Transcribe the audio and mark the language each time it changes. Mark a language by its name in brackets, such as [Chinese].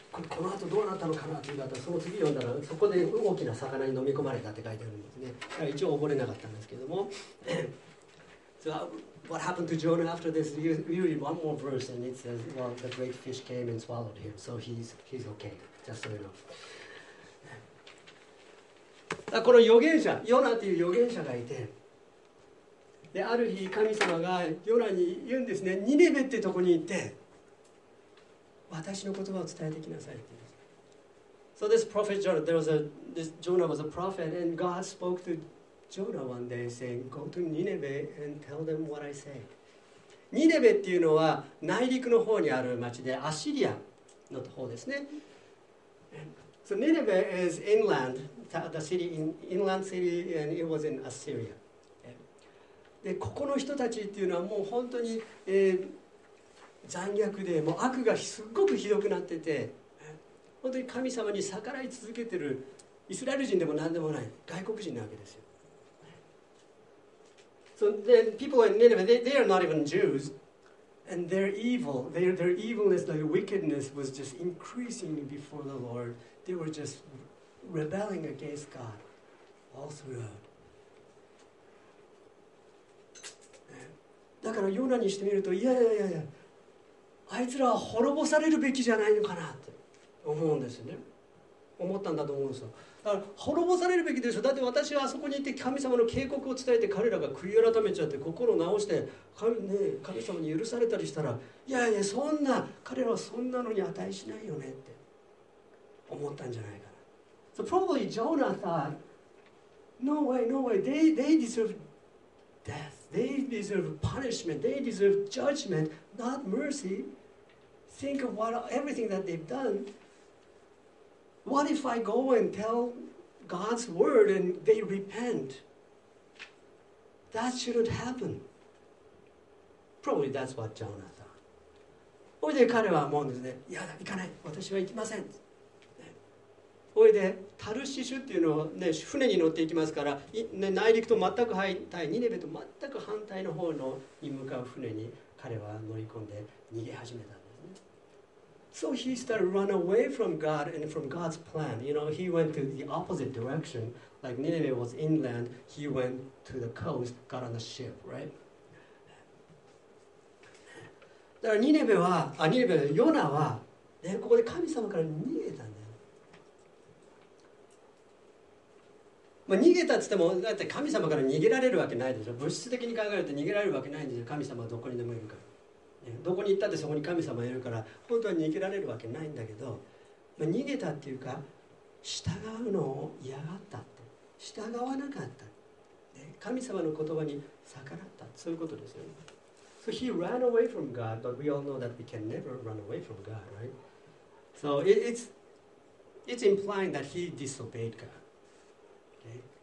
[Japanese] この後どうなったのかなというと、その次読んだらそこで大きな魚に飲み込まれたって書いてあるんですね。だから一応溺れなかったんですけども。 [English] What happened to Jonah after this? You read one more verse and it says, well, the great fish came and swallowed him. So he's okay. Just so you know. [Japanese] だこの預言者、ヨナという預言者がいて、である日神様がヨナに言うんですね。ニネベってとこに行って、私の言葉を伝えてきなさいって言うんです。 [English] So this prophet Jonah, Jonah was a prophet and God spoke to Jonah one day saying, go to Nineveh and tell them what I say. [Japanese] ニネベっていうのは内陸の方にある町で、アシリアの方ですね。 [English] So Nineveh is inland, the city, inland city, and it was in Assyria. [Japanese] で、ここの人たちっていうのはもう本当に、残虐で、もう悪がすごくひどくなってて、本当に神様に逆らい続けてる、イスラエル人でも何でもない外国人なわけですよ。 [English] So the people in Nineveh, they are not even Jews. And their evil, their evilness, their wickedness was just increasing before the Lord. They were just rebelling against God all throughout. [Japanese] だからヨナにしてみると、いや、あいつらは滅ぼされるべきじゃないのかなって思うんですよね。思ったんだと思うんですよ。だから滅ぼされるべきでしょ。だって私はあそこに行って神様の警告を伝えて、彼らが悔い改めちゃって心を直して神様に許されたりしたら、いやそんな、彼らはそんなのに値しないよねって思ったんじゃないかな。 [English] So probably Jonah thought, No way, they deserve death. They deserve punishment. They deserve judgment, not mercy. Think of what everything that they've done. What if I go and tell God's word and they repent? That shouldn't happen. Probably that's what Jonah thought. [Japanese] おいで彼は思うんですね。いや、行かない。私は行きません。おいで、タルシシュっていうのは、ね、船に乗っていきますから、内陸と全く反対、ニネベと全く反対の方のに向かう船に彼は乗り込んで逃げ始めた。 [English] So he started run away from God and from God's plan. You know, he went to the opposite direction. Like Nineveh was inland, he went to the coast, got on a ship, right? [Japanese] だからヨナは、ね、ここで神様から逃げたんだよ。まあ、逃げたっつっても、だって神様から逃げられるわけないでしょ。物質的に考えると逃げられるわけないんですよ。神様はどこにでもいるから。どこに行ったってそこに神様がいるから本当は逃げられるわけないんだけど、まあ、逃げたっていうか従うのを嫌がったって、従わなかった、ね、神様の言葉に逆らった、そういうことですよね。 [English] So he ran away from God, but we all know that we can never run away from God, right? So it's implying that he disobeyed God.、Okay?